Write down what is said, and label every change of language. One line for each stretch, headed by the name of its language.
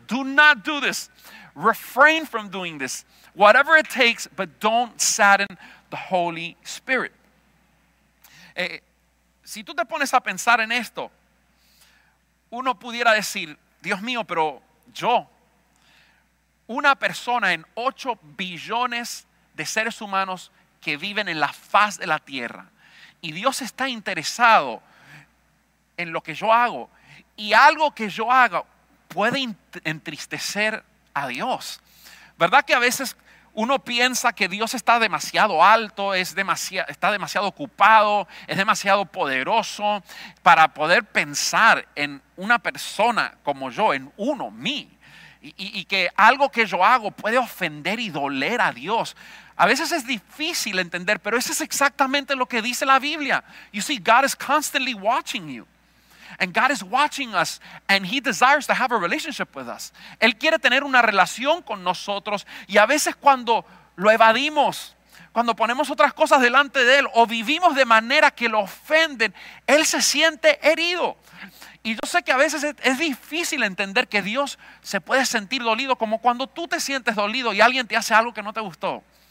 English: Do not do this, refrain from doing this, whatever it takes, but don't sadden the Holy Spirit.
Spanish: Si tú te pones a pensar en esto, uno pudiera decir, Dios mío, pero yo, una persona en 8 billones de seres humanos que viven en la faz de la tierra, y Dios está interesado en lo que yo hago, y algo que yo haga puede entristecer a Dios. ¿Verdad que a veces uno piensa que Dios está demasiado alto, está demasiado ocupado, es demasiado poderoso para poder pensar en una persona como yo, en uno, mí, y que algo que yo hago puede ofender y doler a Dios? A veces es difícil entender, pero eso es exactamente lo que dice la Biblia.
English: You see, God is constantly watching you. And God is watching us and He desires to have a relationship with us.
Spanish: Él quiere tener una relación con nosotros y a veces cuando lo evadimos, cuando ponemos otras cosas delante de Él o vivimos de manera que lo ofenden, Él se siente herido. Y yo sé que a veces es difícil entender que Dios se puede sentir dolido como cuando tú te sientes dolido y alguien te hace algo que no te gustó.